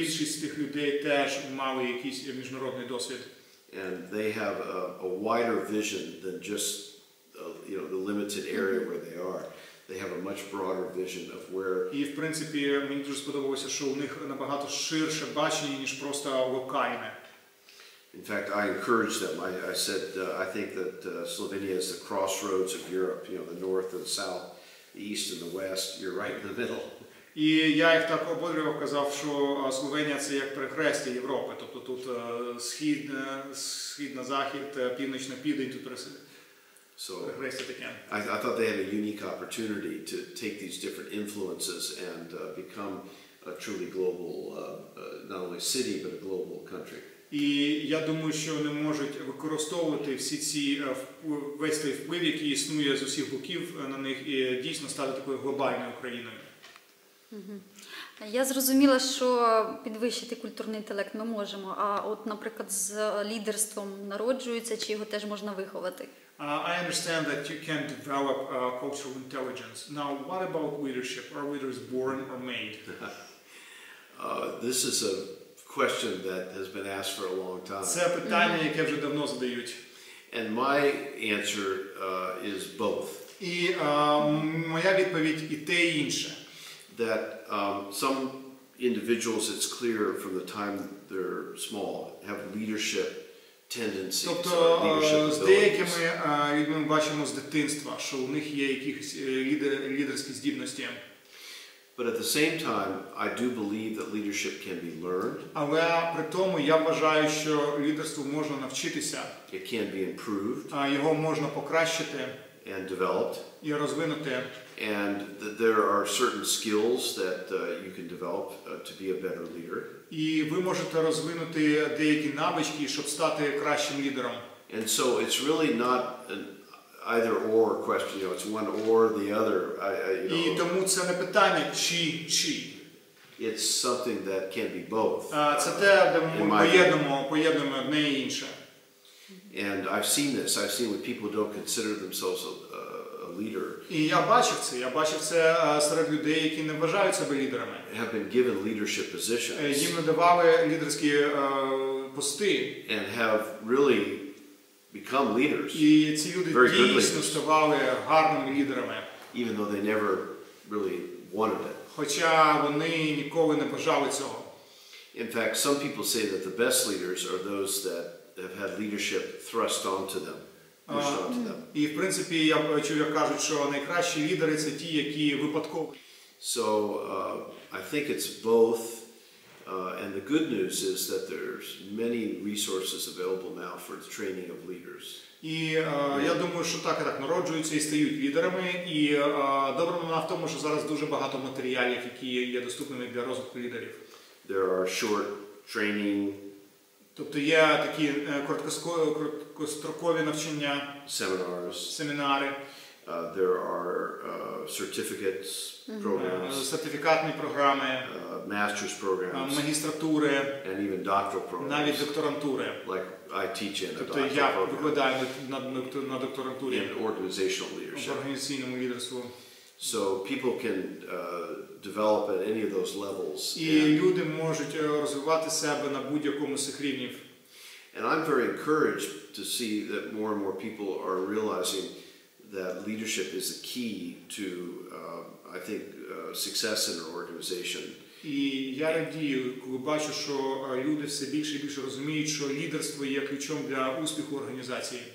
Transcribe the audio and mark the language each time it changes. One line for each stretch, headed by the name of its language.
Ukrainian: І більшість тих людей теж мали якийсь міжнародний досвід.
English: And they have a wider vision than just the limited area where they are. They have a much broader vision of where.
Ukrainian: І в принципі мені дуже сподобалося, що у них набагато ширше бачення, ніж просто локальне.
English: In fact, I encouraged them. I said I think that Slovenia is the crossroads of Europe, the north and the south, the east and the west. You're right in the middle.
Ukrainian: І я їх так ободрював, казав, що Словенія це як перехрестя Європи, тобто тут схід на захід, північ на південь, тут
English: So I thought they had a unique opportunity to take these different influences and become a truly global, not only city, but a global country.
Ukrainian: І я думаю, що вони можуть використовувати всі ці весь той вплив, який існує з усіх боків на них, і дійсно стати такою глобальною країною. Я зрозуміла, що підвищити культурний інтелект ми можемо, а от, наприклад, з лідерством народжується, чи його теж можна виховати?
English: I understand that you can develop cultural intelligence. Now, what about leadership? Are leaders born or made? This is a question that has been asked for a long time.
Ukrainian: Це питання, яке вже давно задають.
English: And my answer is both.
Ukrainian: І моя відповідь і те, і інше.
English: That some individuals, it's clear from the time they're small, have leadership tendencies.
Ukrainian: Тобто з деякими людьми ми бачимо з дитинства, що у них є якісь лідерські здібності.
English: But at the same time, I do believe that leadership can be learned.
Ukrainian: Але при тому я вважаю, що лідерству можна навчитися.
English: It can be improved.
Ukrainian: Його можна покращити.
English: And developed.
Ukrainian: І розвинути.
English: And there are certain skills that you can develop to be a better leader.
Ukrainian: І ви можете розвинути деякі навички, щоб стати кращим лідером.
English: And so it's really not an either or question, it's one or the other.
Ukrainian: І тому це не питання чи.
English: It's something that can be both.
Ukrainian: Це те, де ми поєднуємо одне і інше.
English: And I've seen this. I've seen when people don't consider themselves a leader.
Ukrainian: І я бачив це. Я бачив це серед людей, які не вважають себе лідерами.
English: Have been given leadership positions.
Ukrainian: Їм надавали лідерські пости.
English: And have really become leaders.
Ukrainian: І ці люди дійсно ставали гарними лідерами.
English: Even though they never really wanted it.
Ukrainian: Хоча вони ніколи не бажали цього.
English: In fact, some people say that the best leaders are those that have had leadership thrust onto them.
Ukrainian: І, в принципі, я чую, як кажуть, що найкращі лідери це ті, які випадково.
English: So, I think it's both. And the good news is that there's many resources available now for the training of leaders.
Ukrainian: І я думаю, що так народжуються і стають лідерами. І добра новина в тому, що зараз дуже багато матеріалів, які є доступними для розвитку лідерів.
English: There are short training.
Ukrainian: Тобто є такі короткострокові навчання.
English: Seminars.
Ukrainian: Семінари.
English: There are certificates, programs,
Ukrainian: сертифікатні програми,
English: master's programs,
Ukrainian: магістратури,
English: and even doctoral programs,
Ukrainian: навіть докторантури.
English: Like I teach in a doctoral program.
Ukrainian: Тобто я викладаю на докторантурі.
English: In organizational leadership.
Ukrainian: В організаційному лідерстві.
English: So people can develop at any of those levels.
Ukrainian: І люди можуть розвивати себе на будь-якому з цих рівнів.
English: And I'm very encouraged to see that more and more people are realizing that leadership is a key to, I think, success in an organization.
Ukrainian: І я радію, коли бачу, що люди все більше і більше розуміють, що лідерство є ключом для успіху організації.